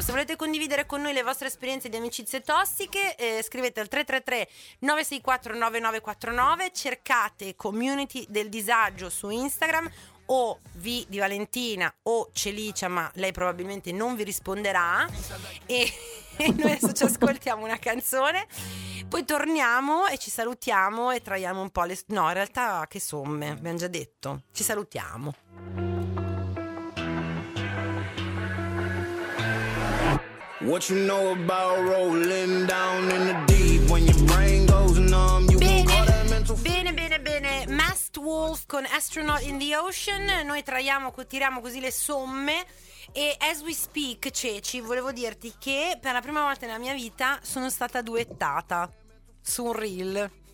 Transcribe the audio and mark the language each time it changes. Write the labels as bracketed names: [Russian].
[Italian] Se volete condividere con noi le vostre esperienze di amicizie tossiche, scrivete al 333 964 9949, cercate Community del Disagio su Instagram o V di Valentina o Celicia, ma lei probabilmente non vi risponderà, e noi adesso ci ascoltiamo una canzone, poi torniamo e ci salutiamo e traiamo un po' le... No, in realtà che somme, abbiamo già detto, ci salutiamo. [English] What you know about rolling down in the deep when your brain goes numb? [Italian] Bene, bene, bene. Masked Wolf con Astronaut in the Ocean. Noi tiriamo così le somme. E [English] as we speak, [Italian] Ceci, volevo dirti che per la prima volta nella mia vita sono stata duettata su un reel.